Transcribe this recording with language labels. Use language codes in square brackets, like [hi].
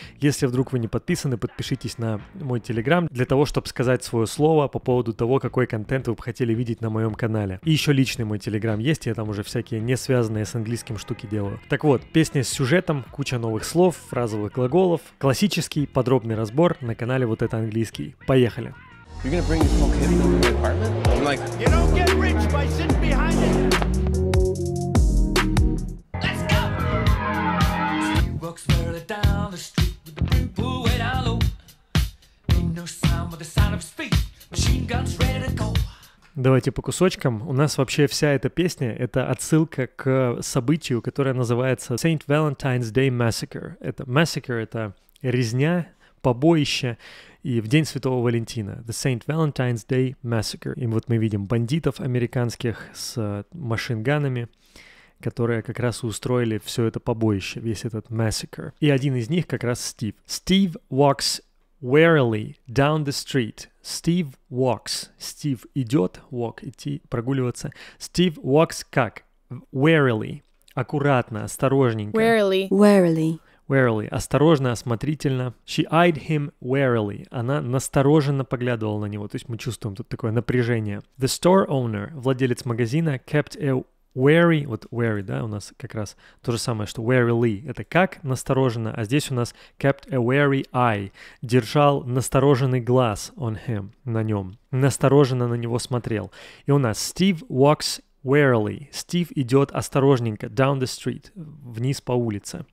[ru] Если вдруг вы не подписаны, подпишитесь на мой телеграм для того, чтобы сказать свое слово по поводу того, какой контент вы бы хотели видеть на моем канале. И еще личный мой телеграм есть, я там уже всякие не связанные с английским штуки делаю. Так вот, песня с сюжетом, куча новых слов, фразовых глаголов, классический подробный разбор на канале Вот это английский. Поехали! [en] You're gonna bring your smoke heavy into your apartment? I'm like, you don't get rich by sitting behind it. Let's go! He walks further down the street with the brim pool way down low. Ain't no sound but the sound of his feet. Machine guns ready to go. [ru] Давайте по кусочкам. У нас вообще вся эта песня — это отсылка к событию, которое называется Saint Valentine's Day Massacre. Это massacre — это резня, побоище. И в день Святого Валентина, The Saint Valentine's Day Massacre. И вот мы видим бандитов американских с машинганами, которые как раз и устроили все это побоище, весь этот massacre. И один из них как раз Стив. [en] Steve walks warily down the street. Steve walks. [ru] Steve идет, walk, идти, прогуливаться. [en] Steve walks [ru] как? [en] Warily. [ru] Аккуратно, осторожненько. [en] Warily. Warily. Warily. [ru] Осторожно, осмотрительно. [en] She eyed him warily. [ru] Она настороженно поглядывала на него. То есть мы чувствуем тут такое напряжение. [en] The store owner, [ru] владелец магазина, [en] kept a wary... [ru] Вот wary, да, у нас как раз то же самое, что warily. Это как настороженно, а здесь у нас [en] kept a wary eye. [ru] Держал настороженный глаз [en] on him, [ru] на нем. Настороженно на него смотрел. И у нас [en] Steve walks warily. [ru] Стив идет осторожненько [en] down the street, [ru] вниз по улице.